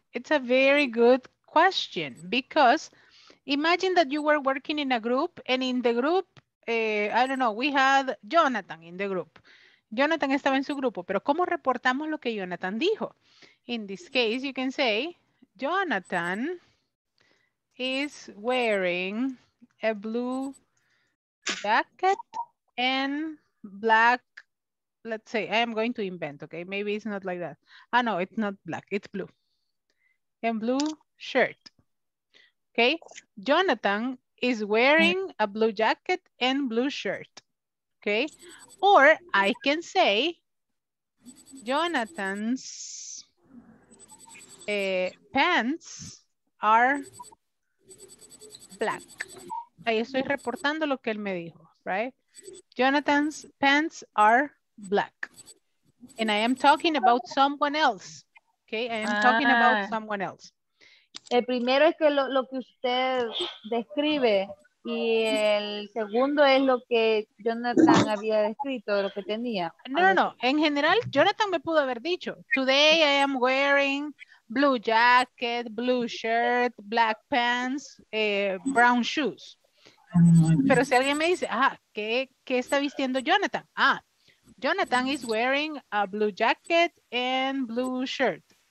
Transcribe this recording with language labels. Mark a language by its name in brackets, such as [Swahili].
[English] It's a very good question because imagine that you were working in a group and in the group, I don't know, we had Jonathan in the group. [Spanish] Jonathan estaba en su grupo, pero ¿cómo reportamos lo que Jonathan dijo? [English] In this case, you can say, Jonathan is wearing a blue jacket and black, let's say, I am going to invent, okay? Maybe it's not like that. Ah, no, it's not black, it's blue. And blue shirt, okay? Jonathan is wearing a blue jacket and blue shirt, okay? Or I can say, Jonathan's pants are black. [Spanish] Ahí estoy reportando lo que él me dijo, right? [English] Jonathan's pants are black. And I am talking about someone else, okay? I am talking about someone else. [Spanish] El primero es que lo que usted describe y el segundo es lo que Jonathan había descrito, lo que tenía. No. En general, Jonathan me pudo haber dicho, [English] today I am wearing blue jacket, blue shirt, black pants, brown shoes. [Spanish] Pero si alguien me dice, ¿qué está vistiendo Jonathan? [English] Jonathan is wearing a blue jacket and blue shirt.